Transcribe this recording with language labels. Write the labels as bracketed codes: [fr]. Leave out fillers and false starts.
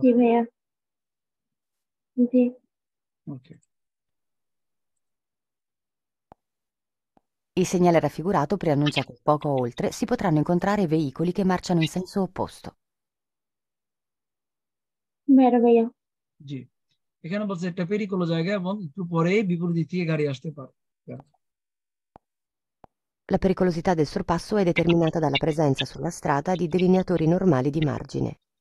[it] Sì, vaya. Sì. Ok. Il segnale raffigurato preannuncia che poco oltre si potranno incontrare veicoli che marciano in senso opposto. Vero, vero. Sì. [bn] এখানে বলছে একটা পেরিকুলো জায়গা এবং একটু পরে বিপরীত দিক থেকে গাড়ি আসতে পারে। [it] La pericolosità del sorpasso è determinata dalla presenza sulla strada di delineatori normali di margine.